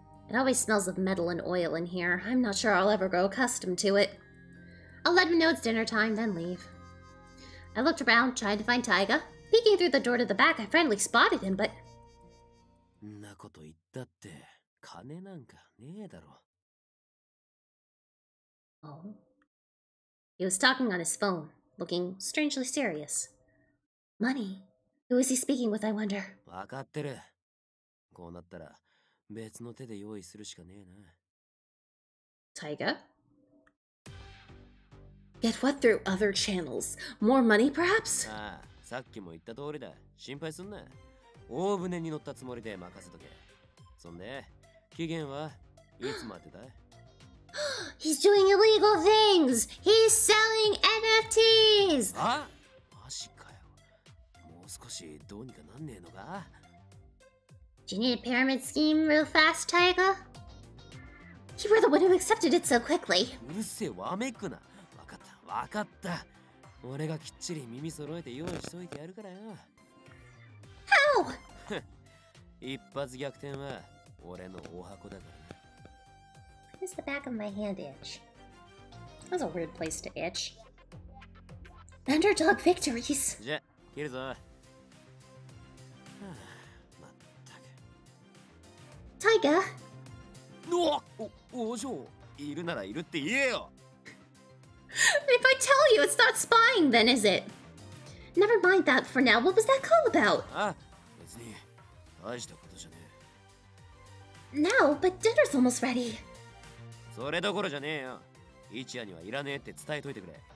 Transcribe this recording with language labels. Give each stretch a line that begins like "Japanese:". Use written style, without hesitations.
English: It always smells of metal and oil in here. I'm not sure I'll ever grow accustomed to it. I'll let him know it's dinner time, then leave. I looked around, trying to find Taiga. Peeking through the door to the back, I finally spotted him, but...
Japanese: なこと言ったって、金なんかねえだろ。
English: Oh? He was talking on his phone, looking strangely serious. Money? Who is he speaking with, I wonder?
Japanese: わかってる。こうなったら、別の手で用意するしかねえな。
English: Taiga? Get what through other channels? More money, perhaps?
Japanese: ああ、さっきも言った通りだ。心配すんな。大船に乗ったつもりで任せとけ。そんで、期限はいつまでだ
English: He's doing illegal things! He's selling NFTs!
Japanese: あ、マジかよ。もう少しどうにかなんねえのか
English: Do you need a pyramid scheme real fast, Taiga? You were the one who accepted it so quickly.
Japanese: うるせえ、わめくな。わかった。俺がきっちり耳揃えて用意しといてやるからよ。
English: How?
Japanese: 一発逆転は俺のお箱だからな。
English: Why does the back of my hand itch? That's a weird place to itch. Underdog victories!
Japanese: じゃ、切るぞ。はぁ、まったく。
English: Taiga?
Japanese: うわっ! お嬢、いるならいるって言えよ!
English: If I tell you, it's not spying then, is it? Never mind that for now. What was that call about?
Japanese: Ah, 別に大したことじゃねえ。
English: No, but dinner's almost ready.
Japanese: それどころじゃねえよ。一夜にはいらねえって伝えといてくれ。